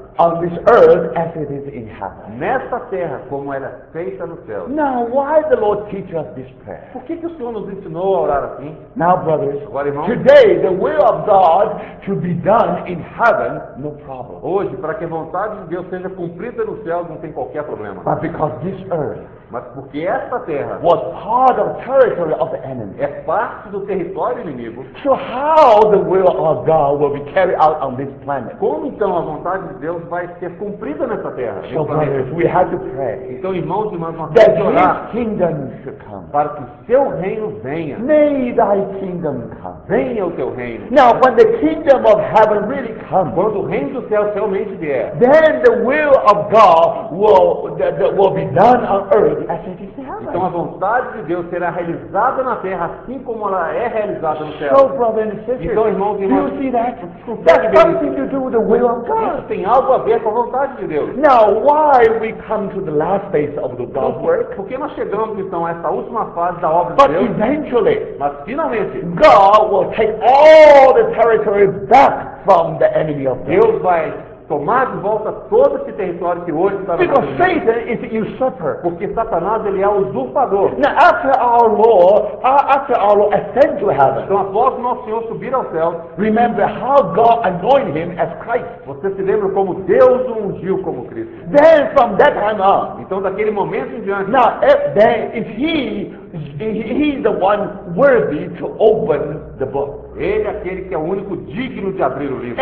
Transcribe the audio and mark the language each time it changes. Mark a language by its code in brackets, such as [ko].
[en] on this earth as it is in heaven. [pt] Nessa terra como era feita no céu. [en] Now, why the Lord teach us this prayer? [pt] Por que que o Senhor nos ensinou a orar assim? [en] Now, brothers, [pt] agora, irmãos, [en] today the will of God to be done in heaven, no problem. [pt] Hoje, para que a vontade de Deus seja cumprida no céu, não tem qualquer problema. [en] But because this earth, [pt] mas porque esta terra [en] was part of territory of the enemy. [pt] É parte do território inimigo. [en] So how the will of God will be carried out on this planet? [pt] Como então a vontade de Deus vai ser cumprida nessa terra? [en] So brothers, we have to pray. [pt] Então, irmãos e irmãs, [en] that His kingdom should come. [pt] Para que o seu reino venha. [en] May thy kingdom come. [pt] Venha o teu reino. [en] Now, when the kingdom of heaven really comes, [pt] quando o reino do céu realmente vier, [en] then the will of God will be done on earth. [pt] Então a vontade de Deus será realizada na terra assim como ela é realizada no céu. [en] So, brother and sister, [pt] então, irmão, [en] do you see that? That's something to do with the will of God. [pt] Isso tem algo a ver com a vontade de Deus. [en] Now, why we come to the last phase of the God's work? [pt] Por que nós chegamos então a essa última fase da obra [en] But Eventually, [pt] mas finalmente, [en] God will take all the territory back from the enemy of God. [pt] Deus vai tomar de volta todo esse território que hoje está no mundo. Porque Satanás, ele é usurpador. [en] Now, after our Lord ascend to heaven, [pt] então, após nosso Senhor subir ao céu, [en] remember how God anointed him as Christ. [pt] Você se lembra como Deus o ungiu como Cristo. [en] Then, from that time on, [pt] então, daquele momento em diante, [en] now, if he's the one worthy to open the book. [pt] Ele é aquele que é o único digno de abrir o livro.